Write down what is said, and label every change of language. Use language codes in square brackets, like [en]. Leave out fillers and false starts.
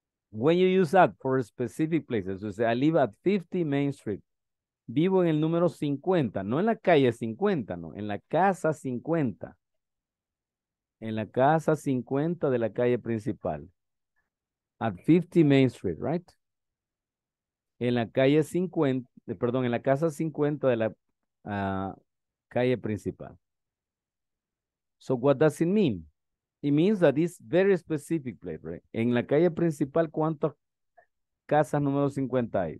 [en] When you use at for specific places, you say, I live at 50 Main Street. [es] Vivo en el número 50, no en la calle 50, no, en la casa 50. En la casa 50 de la calle principal. [en] At 50 Main Street, right? [es] En la calle 50, perdón, en la casa 50 de la calle principal. [en] So what does it mean? It means that it's very specific place, right? [es] En la calle principal, ¿cuántas casas número 50 hay?